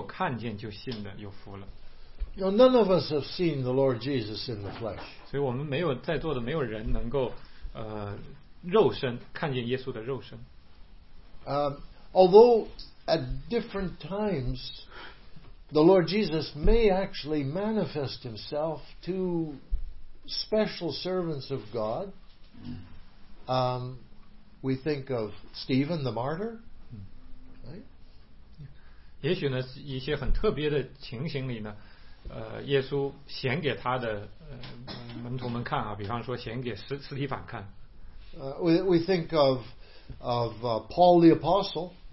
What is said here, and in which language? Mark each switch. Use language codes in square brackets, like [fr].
[zh] 我才信，耶稣呢，让他摸手上的钉痕、肋旁的枪伤，然后让他摸，然后呢，多马给他28节说我的主，我的神，他说他信了。29节耶稣说呢，你因为看见才信啊，那没有看见就信的有福了。 [en] None of us have seen the Lord Jesus in the flesh. [zh] 所以我们没有在座的没有人能够肉身看见耶稣的肉身。 [en] Although at different times the Lord Jesus may actually manifest himself to special servants of God. We think of Stephen the martyr, right? [zh] 也许呢，一些很特别的情形里呢，耶稣显给他的门徒们看啊，比方说显给斯提凡看。 [en] We think of Paul the apostle.